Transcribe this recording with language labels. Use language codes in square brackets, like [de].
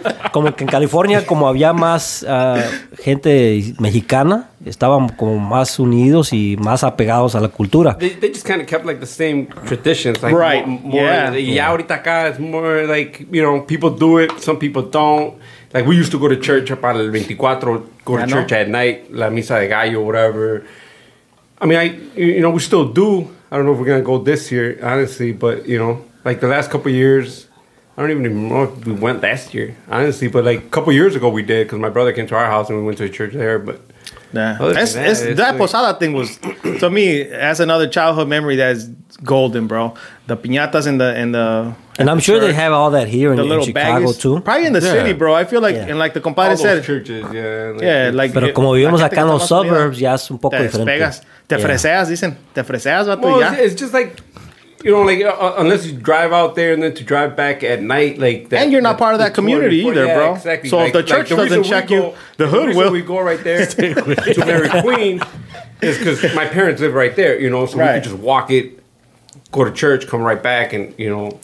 [es] Como que en California, como había más gente mexicana, estaban como más unidos y más apegados a la cultura. [en] They just kind of kept like the same traditions. Like, right. [es] Y ahorita acá es [en] more like, you know, people do it, some people don't. Like, we used to go to church [es] para el 24, [en] church at night, [es] la misa de gallo, [en] whatever. I mean, we still do. I don't know if we're going to go this year, honestly, but, you know, like the last couple of years, I don't even know if we went last year, honestly, but like a couple of years ago we did because my brother came to our house and we went to a church there, but... Nah. That posada thing was, to me, that's another childhood memory that is golden, bro. The piñatas and I'm sure they have all that here in Chicago, baggies, too. Probably in the city, bro. I feel like, and like the compadre said. Churches, like. [es] Pero como vivimos acá en los suburbs, ya es un poco diferente. Te freseas, dicen. Te freseas, vato, ya. [en] It's just like, you know, like, unless you drive out there and then to drive back at night, like... And you're not part of that community either, bro. Yeah, exactly. So if the church doesn't check you, the hood will. We go right there to Mary Queen is because my parents live right there, you know, so we can just walk it, go to church, come right back and, you know...